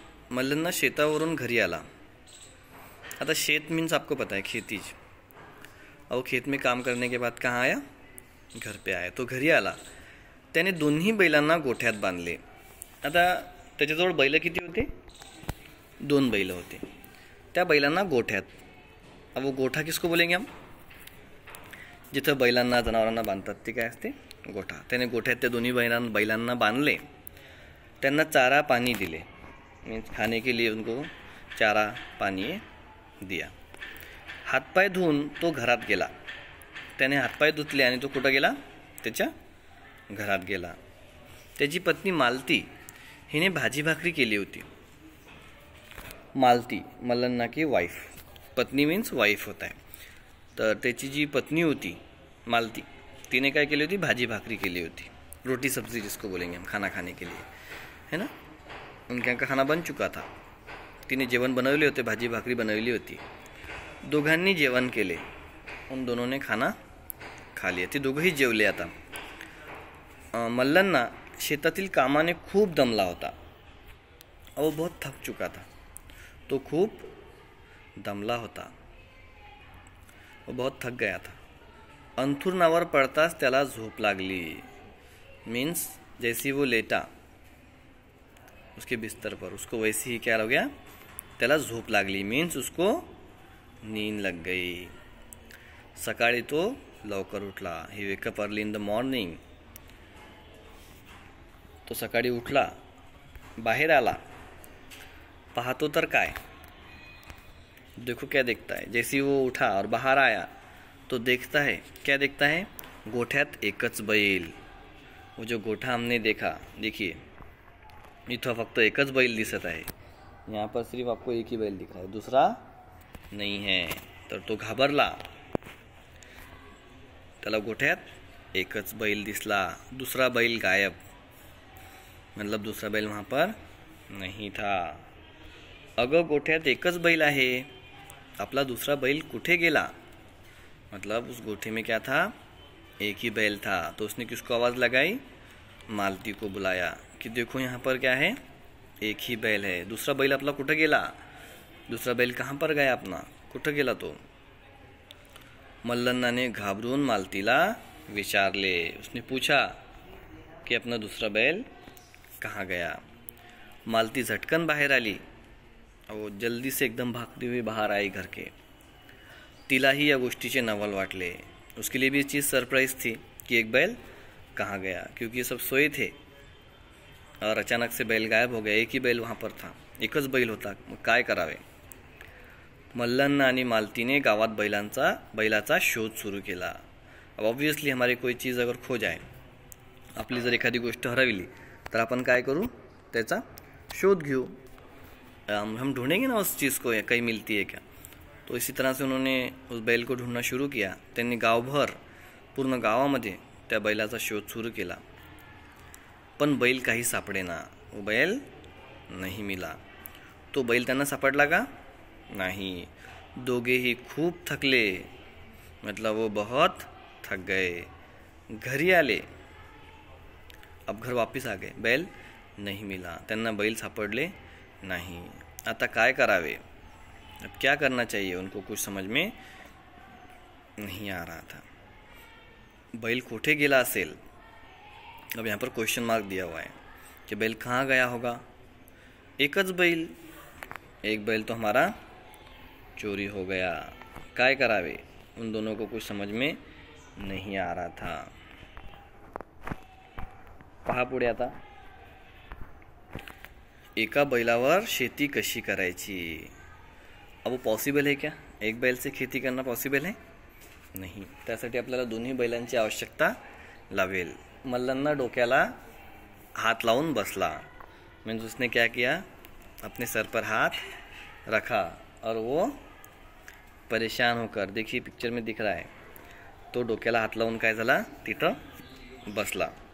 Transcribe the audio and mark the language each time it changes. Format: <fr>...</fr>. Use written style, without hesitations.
<mr>मल्लन्ना शेतावरून घरी आला। आता शेत</mr> <hi>मीन्स आपको पता है खेतीच, और खेत में काम करने के बाद कहाँ आया? घर पे आया।</hi> <mr>तो घरी आला, त्याने दोन्ही बैलांना गोठ्यात बांधले। आता त्याच्याजवळ बैल किती होते? दोन बैल होते, त्या बैलांना गोठ्यात।</mr> <hi>अब वो गोठा किसको बोलेंगे हम?</hi> <mr>जिथं बैलांना जनावरांना बांधतात ते काय असते? गोठा। त्याने गोठ्यात त्या दोन्ही बैलांना बांधले, त्यांना चारा पाणी दिले, मीन्स</mr> <hi>खाने के लिए उनको चारा पाणी दिया।</hi> <mr>हातपाय धुवून तो घरात गेला। त्याने हातपाय धुतले आणि तो कुठं गेला? त्याच्या घरात गेला। त्याची पत्नी मालती हिने भाजी भाकरी केली होती। मालती मल्लन्ना की वाईफ, पत्नी मीन्स वाईफ होत आहे। तर त्याची जी पत्नी होती मालती, तिने काय केली होती? भाजी भाकरी केली होती,</mr> <hi>रोटी सब्जी जिसको बोलेंगे हम खाना खाने के लिए, है ना। उनका खाना बन चुका था,</hi> <mr>तिने जेवण बनवले होते, भाजी भाकरी बनवली होती। दोघांनी जेवण केले,</mr> <hi>उन दोनों ने खाना खा लिया,</hi> <mr>ते दोघंही जेवले। आता मल्लन्ना शेतातील कामाने खूप दमला होता,</mr> <hi>वो बहुत थक चुका था,</hi> <mr>तो खूप दमला होता,</mr> <hi>वो बहुत थक गया था।</hi> <mr>अंथरुणावर पडताच त्याला झोप लागली,</mr> <hi>मीन्स जैसी वो लेटा उसके बिस्तर पर, उसको वैसी ही क्या हो गया?</hi> <mr>त्याला झोप लागली,</mr> <hi>मीन्स उसको नींद लग गई।</hi> <mr>सकाळी तो लवकर उठला,</mr> <en>He wake up early in the morning.</en> <mr>तो सकाळी उठला, बाहेर आला, पाहतो तर काय?</mr> <hi>देखो क्या देखता है? जैसी वो उठा और बाहर आया तो देखता है, क्या देखता है?</hi> <mr>गोठ्यात एकच बैल।</mr> <hi>वो जो गोठा हमने देखा, देखिए</hi> <mr>इथं फक्त एकच बैल दिसत आहे,</mr> <hi>यहाँ पर सिर्फ आपको एक ही बैल दिख रहा है, दूसरा नहीं है।</hi> <mr>तर तो घाबरला, त्याला गोठ्यात एकच बैल दिसला, दूसरा बैल गायब,</mr> <hi>मतलब दूसरा बैल वहाँ पर नहीं था।</hi> <mr>अगं गोठ्यात एकच बैल आहे, आपला दूसरा बैल कुठे गेला?</mr> <hi>मतलब उस गोठे में क्या था? एक ही बैल था। तो उसने किसको आवाज़ लगाई? मालती को बुलाया कि देखो यहाँ पर क्या है, एक ही बैल है, दूसरा बैल</hi> <mr>आपला कुठे गेला?</mr> <hi>दूसरा बैल कहाँ पर गया अपना, कुठे गेला? तो मल्लन्ना ने</hi> <mr>घाबरून मालतीला विचारले,</mr> <hi>उसने पूछा कि अपना दूसरा बैल कहाँ गया।</hi> <mr>मालती झटकन बाहर आली,</mr> <hi>वो जल्दी से एकदम भागते हुए बाहर आई घर के। तिला ही या गोष्टी से</hi> <mr>नवल वाटले,</mr> <hi>उसके लिए भी ये चीज़ सरप्राइज थी कि एक बैल कहाँ गया, क्योंकि ये सब सोए थे और अचानक से बैल गायब हो गया। एक ही बैल वहाँ पर था,</hi> <mr>एकच बैल होता, काय करावे। मल्लन्ना आणि मालतीने गावात बैलाचा शोध सुरू केला।</mr> <hi>अब ऑब्वियसली हमारी कोई चीज़ अगर खो जाए,</hi> <mr>आपली जर एखादी गोष्ट हरविली, तर आपण काय करू? त्याचा शोध घेऊ,</mr> <hi>हम ढूंढेंगे ना उस चीज़ को, या कहीं मिलती है क्या। तो इसी तरह से उन्होंने उस बैल को ढूंढना शुरू किया।</hi> <mr>त्यांनी गावभर, पूर्ण गावामध्ये त्या बैलाचा शोध सुरू केला, पण बैल काही सापडेना,</mr> <hi>वो बैल नहीं मिला।</hi> <mr>तो बैल त्यांना सापडला का?</mr> <hi>नहीं।</hi> <mr>दोघेही खूप थकले,</mr> <hi>मतलब वो बहुत थक गए,</hi> <mr>घरी आले,</mr> <hi>अब घर वापस आ गए, बैल नहीं मिला,</hi> <mr>त्यांना बैल सापडले नाही। आता काय करावे,</mr> <hi>अब क्या करना चाहिए, उनको कुछ समझ में नहीं आ रहा था।</hi> <mr>बैल कोठे गेला असेल,</mr> <hi>अब यहाँ पर क्वेश्चन मार्क दिया हुआ है कि बैल कहाँ गया होगा। एकच बैल, एक बैल तो हमारा चोरी हो गया,</hi> <mr>काय करावे,</mr> <hi>उन दोनों को कुछ समझ में नहीं आ रहा था।</hi> <mr>पहा पुढे आता, एका बैलावर शेती कशी करायची,</mr> <hi>अब वो पॉसिबल है क्या, एक बैल से खेती करना पॉसिबल है, नहीं,</hi> <mr>त्यासाठी आपल्याला दोन्ही बैलांची आवश्यकता लागेल। मल्लांना डोक्याला हात लावून बसला,</mr> <hi>म्हणजे उसने क्या किया, अपने सर पर हाथ रखा और वो परेशान होकर, देखिए पिक्चर में दिख रहा है,</hi> <mr>तो डोक्याला हात लावून काय झाला, तिथं बसला।</mr>